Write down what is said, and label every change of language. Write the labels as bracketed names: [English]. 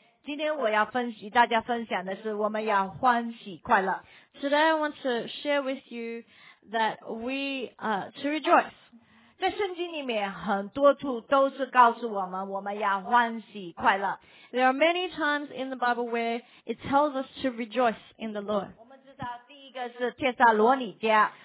[Chinese] 今天我要分析大家分享的是我们要欢喜快乐。 [English] Today I want to share with you that we to rejoice. [Chinese] 在圣经里面很多处都是告诉我们我们要欢喜快乐。 [English] There are many times in the Bible where it tells us to rejoice in the Lord. [Chinese] 我们知道第一个是帖撒罗尼迦。